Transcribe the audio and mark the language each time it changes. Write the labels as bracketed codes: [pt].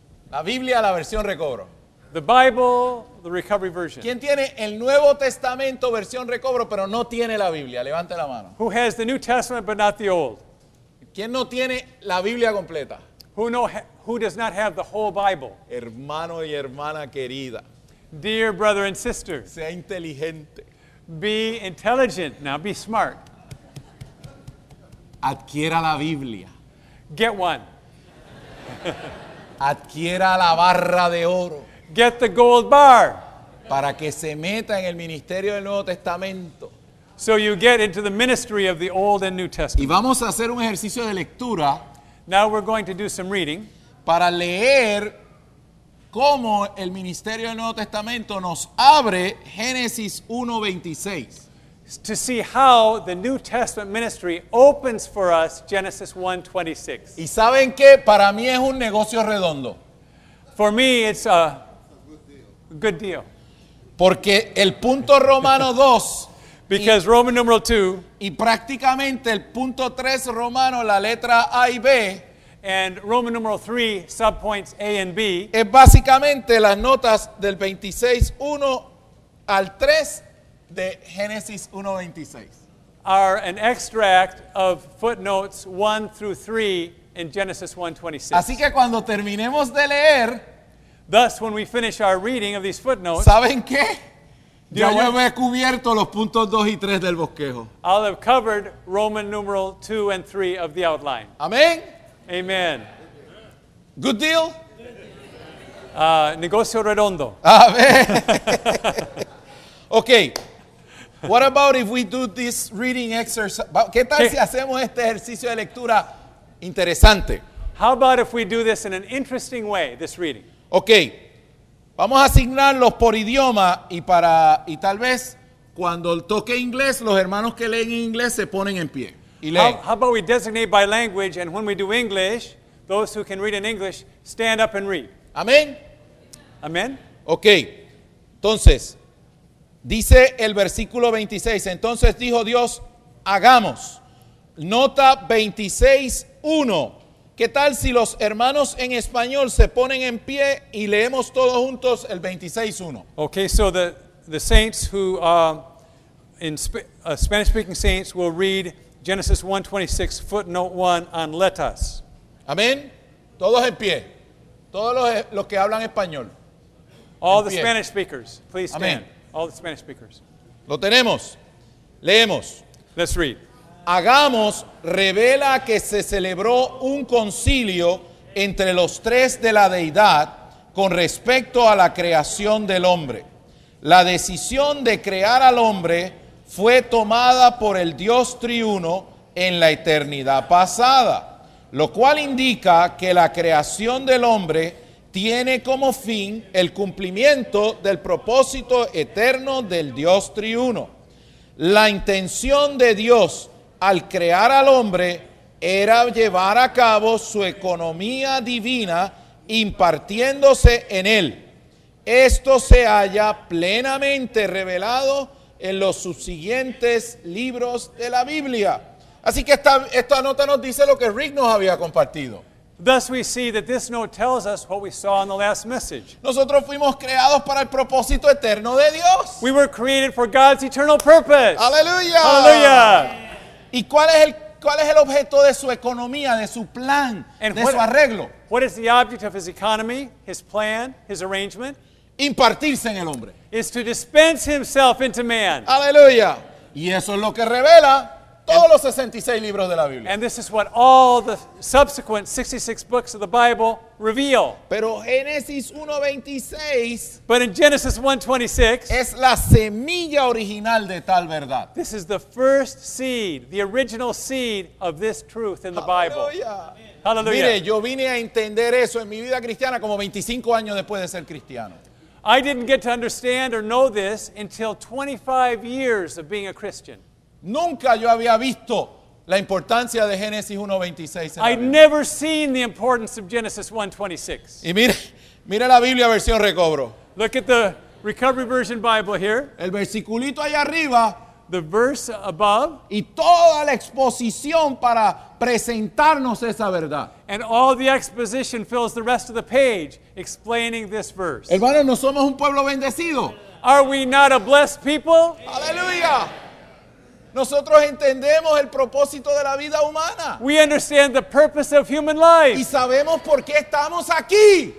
[es] La Biblia, la versión Recobro. [en] The Bible, the Recovery Version. [es] ¿Quién tiene el Nuevo Testamento, versión Recobro, pero no tiene la Biblia? Levante la mano. [en] Who has the New Testament but not the Old? [es] ¿Quién no tiene la Biblia completa? [en] Who does not have the whole Bible? [es] Hermano y hermana querida. [en] Dear brother and sister. [es] Sea inteligente. [en] Be intelligent. Now be smart. [es] Adquiera la Biblia. [en] Get one. [es] Adquiera la barra de oro. [en] Get the gold bar. [es] Para que se meta en el ministerio del Nuevo Testamento. [en] So you get into the ministry of the Old and New Testament. [es] Y vamos a hacer un ejercicio de lectura. [en] Now we're going to do some reading. [es] Para leer cómo el ministerio del Nuevo Testamento nos abre Génesis 1:26. [en] To see how the New Testament ministry opens for us Genesis 1:26. [es] ¿Y saben qué? Para mí es un negocio redondo. [en] For me it's a good deal. [es] Porque el punto romano 2 [en] because Roman numeral 2 [es] y prácticamente el punto 3 romano la letra A y B [en] and Roman numeral 3 subpoints A and B [es] es básicamente las notas del 26:1 al 3 de Génesis 1:26 [en] are an extract of footnotes 1 through 3 in Genesis 1:26. [es] Así que cuando terminemos de leer [en] thus when we finish our reading of these footnotes [es] ¿saben qué? Ya yo he cubierto los puntos 2 y 3 del bosquejo. [en] I'll have covered Roman numeral 2 and 3 of the outline. [es] Amén. [en] Amen. Good deal. [es] Negocio redondo. Amén. Okay. [en] What about if we do this reading exercise? [es] ¿Qué tal si hacemos este ejercicio de lectura interesante? [en] How about if we do this in an interesting way, this reading? Okay. [es] Vamos a asignarlos por idioma y tal vez cuando toque inglés, los hermanos que leen en inglés se ponen en pie y leen. [en] How about we designate by language and when we do English, those who can read in English, stand up and read. [es] Amén. Amén. [en] Ok. [es] Entonces, dice el versículo 26. Entonces dijo Dios, hagamos. Nota 26:1. ¿Qué tal si los hermanos en español se ponen en pie y leemos todos juntos el 26:1? [en] Okay, so the the saints who are in Spanish-speaking saints will read Genesis 1:26, footnote 1, on letras. [es] Amén. Todos en pie. Todos los que hablan español. [en] All the Spanish speakers, please stand. Amen. All the Spanish speakers. [es] Lo tenemos. Leemos. [en] Let's read. [es] Hagamos revela que se celebró un concilio entre los tres de la Deidad con respecto a la creación del hombre. La decisión de crear al hombre fue tomada por el Dios triuno en la eternidad pasada, lo cual indica que la creación del hombre tiene como fin el cumplimiento del propósito eterno del Dios triuno. La intención de Dios al crear al hombre era llevar a cabo su economía divina impartiéndose en él. Esto se halla plenamente revelado en los subsiguientes libros de la Biblia. Así que esta nota nos dice lo que Rick nos había compartido. [en] Thus we see that this note tells us what we saw in the last message. [es] Nosotros fuimos creados para el propósito eterno de Dios. [en] We were created for God's eternal purpose. [es] Aleluya. Aleluya. ¿Y cuál es el objeto de su economía, de su plan, su arreglo? [en] What is the object of his economy, his plan, his arrangement? [es] Impartirse en el hombre. [en] Is to dispense himself into man. [es] Aleluya. Y eso es lo que revela todos los 66 libros de la Biblia. [en] And this is what all the subsequent 66 books of the Bible reveal. [es] Pero Génesis 1:26, [en] but in Genesis 1:26, [es] es la semilla original de tal verdad. [en] This is the first seed, the original seed of this truth in the Bible. Hallelujah. [es] Mire, yo vine a entender eso en mi vida cristiana como 25 años después de ser cristiano. [en] I didn't get to understand or know this until 25 years of being a Christian. [es] Nunca yo había visto la importancia de Génesis 1:26. [en] I'd never seen the importance of Genesis 1:26. [es] Y mira la Biblia versión Recobro. [en] Look at the Recovery Version Bible here. [es] El versiculito allá arriba. [en] The verse above. [es] Y toda la exposición para presentarnos esa verdad. [en] And all the exposition fills the rest of the page explaining this verse. [es] Hermanos, no somos un pueblo bendecido. [en] Are we not a blessed people? [es] Aleluya. Nosotros entendemos el propósito de la vida humana. [en] We understand the purpose of human life. [es] Y sabemos por qué estamos aquí.